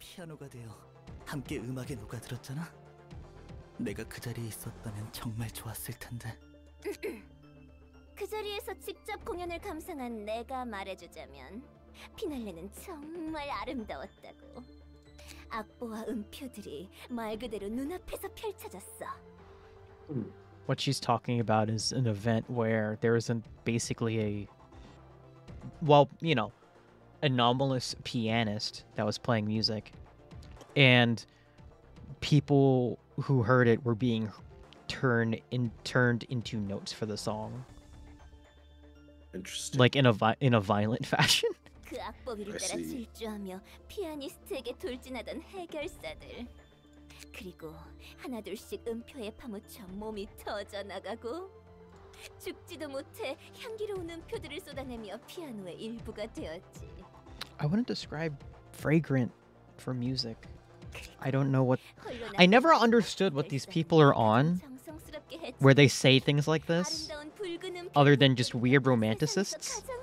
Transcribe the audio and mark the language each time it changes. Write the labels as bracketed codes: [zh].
[ko] 피아노가 되어 함께 음악에 녹아들었잖아. 내가 그 자리에 있었다면 정말 좋았을 텐데. 그 자리에서 직접 공연을 감상한 내가 말해주자면 피날레는 정말 아름다웠다고. 악보와 음표들이 말 그대로 눈앞에서 펼쳐졌어. [en] What she's talking about is an event where there isn't basically a, well, you know, anomalous pianist that was playing music, and people who heard it were being turned into notes for the song. Interesting. Like in a violent fashion. [ko] 그 악보비를 따라 질주하며 피아니스트에게 돌진하던 해결사들. 그리고 하나둘씩 음표에 파묻혀 몸이 터져 나가고 죽지도 못해 향기로운 음표들을 쏟아내며 피아노의 일부가 되었지. [en] I wouldn't describe fragrant for music. I don't know what. I never understood what these people are on, where they say things like this, other than just weird romanticists.